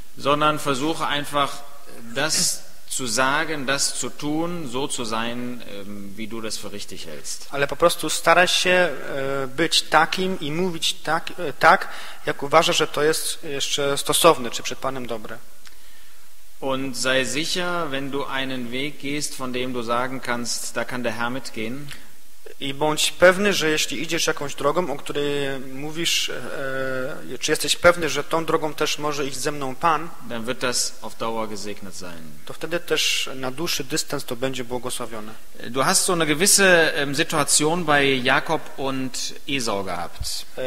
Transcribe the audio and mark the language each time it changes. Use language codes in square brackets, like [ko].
[de] sondern versuche einfach das zu sagen, das zu tun, so zu sein, wie du das für richtig hältst. [pl] Ale po prostu staraj się być takim i mówić tak, jak uważasz, że to jest jeszcze stosowne, czy przed Panem dobre. [de] Und sei sicher, wenn du einen Weg gehst, von dem du sagen kannst, da kann der Herr mitgehen. [pl] I bądź pewny, że jeśli idziesz jakąś drogą, o której mówisz, czy jesteś pewny, że tą drogą też może iść ze mną Pan, [de] dann wird das auf Dauer gesegnet sein. [pl] To wtedy też na dłuższy dystans to będzie błogosławione. [de] Du hast so eine gewisse Situation bei Jakob und Esau gehabt.